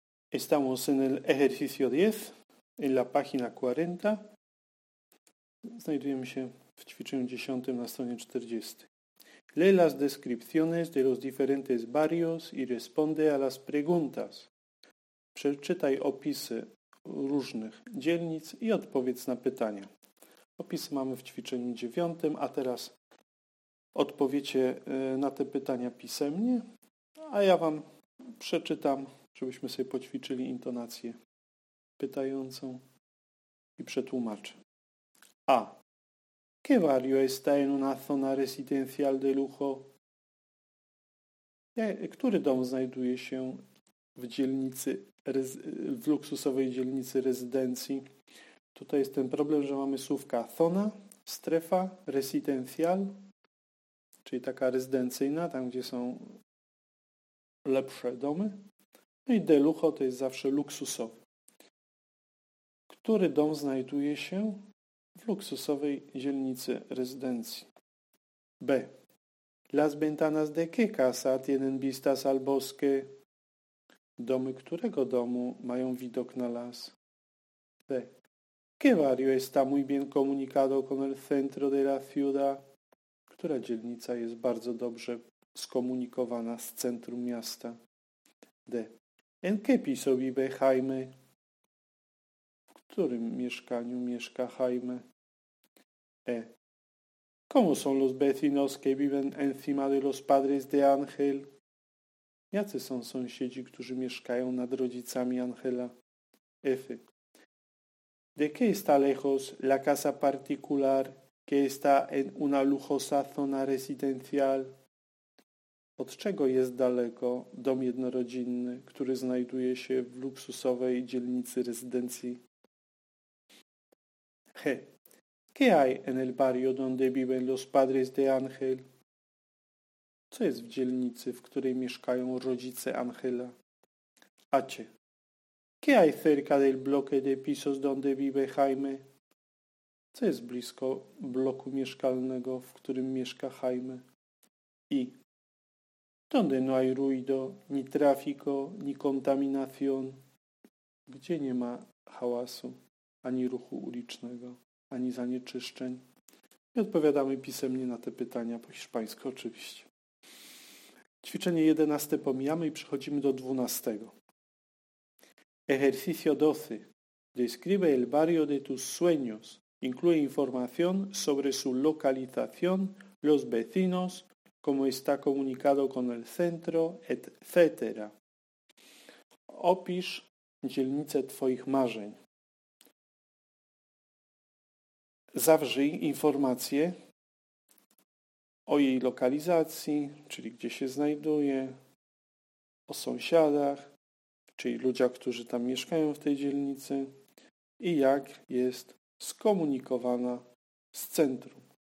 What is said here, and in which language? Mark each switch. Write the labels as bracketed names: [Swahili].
[Spanish] Estamos en el ejercicio 10, en la página 40. [Polish] Znajdujemy się w ćwiczeniu 10 na stronie 40. [Spanish] Lee las descripciones de los diferentes barrios y responde a las preguntas. [Polish] Przeczytaj opisy różnych dzielnic i odpowiedz na pytania. Opisy mamy w ćwiczeniu 9, a teraz odpowiecie na te pytania pisemnie, a ja Wam przeczytam, żebyśmy sobie poćwiczyli intonację pytającą i przetłumaczę. [Spanish] A. ¿Qué barrio está en una zona residencial de lujo? [Polish] Który dom znajduje się w dzielnicy, w luksusowej dzielnicy rezydencji? Tutaj jest ten problem, że mamy słówka zona, strefa, residencial, czyli taka rezydencyjna, tam gdzie są lepsze domy. No i de lujo to jest zawsze luksusowy. Który dom znajduje się w luksusowej dzielnicy rezydencji? [Spanish] B. Las ventanas de qué casa tienen vistas al bosque? [Polish] Domy którego domu mają widok na las? [Spanish] C. ¿Qué barrio está muy bien comunicado con el centro de la ciudad? [Polish] Która dzielnica jest bardzo dobrze skomunikowana z centrum miasta? D. [Spanish] ¿En qué piso vive Jaime? [Polish] W którym mieszkaniu mieszka Jaime? [Spanish] E. ¿Cómo son los vecinos que viven encima de los padres de Ángel? [Polish] Jacy są sąsiedzi, którzy mieszkają nad rodzicami Angela? [Spanish] F. ¿De qué está lejos la casa particular que está en una lujosa zona residencial? [Polish] Od czego jest daleko dom jednorodzinny, który znajduje się w luksusowej dzielnicy rezydencji? [Spanish] G. ¿Qué hay en el barrio donde viven los padres de Ángel? [Polish] Co jest w dzielnicy, w której mieszkają rodzice Angela? [Spanish] H. ¿Qué hay cerca del bloque de pisos donde vive Jaime? [Polish] Co jest blisko bloku mieszkalnego, w którym mieszka Jaime? [Spanish] I. ¿Dónde no hay ruido, ni tráfico, ni contaminación? [Polish] Gdzie nie ma hałasu, ani ruchu ulicznego, ani zanieczyszczeń? I odpowiadamy pisemnie na te pytania, po hiszpańsku oczywiście. Ćwiczenie 11 pomijamy i przechodzimy do 12. [Spanish] Ejercicio 12. Describe el barrio de tus sueños. Incluye información sobre su localización, los vecinos, cómo está comunicado con el centro, etc. [Polish] Opisz dzielnicę twoich marzeń. Zawrzyj informacje o jej lokalizacji, czyli gdzie się znajduje, o sąsiadach, czyli ludziach, którzy tam mieszkają w tej dzielnicy i jak jest skomunikowana z centrum.